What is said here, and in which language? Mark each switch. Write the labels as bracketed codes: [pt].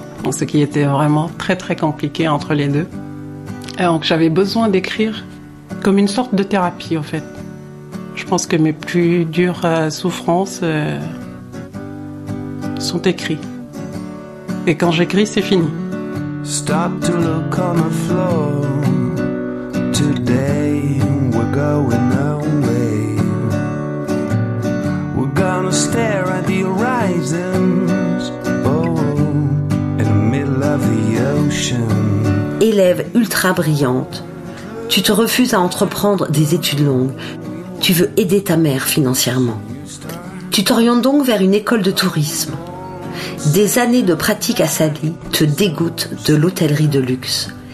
[fr] Ce qui était vraiment très très compliqué entre les deux. Donc j'avais besoin d'écrire comme une sorte de thérapie, en fait. Je pense que mes plus dures souffrances sont écrites. Et quand j'écris, c'est fini. [en] Stop to look on the floor. Today we're going away. We're gonna stare at the horizons. Oh, in the middle of the ocean. [fr] Élève ultra brillante, tu te refuses à entreprendre des études longues. Tu veux aider ta mère financièrement. Tu t'orientes donc vers une école de tourisme. Des années de pratique à Sali te dégoûtent de l'hôtellerie de luxe.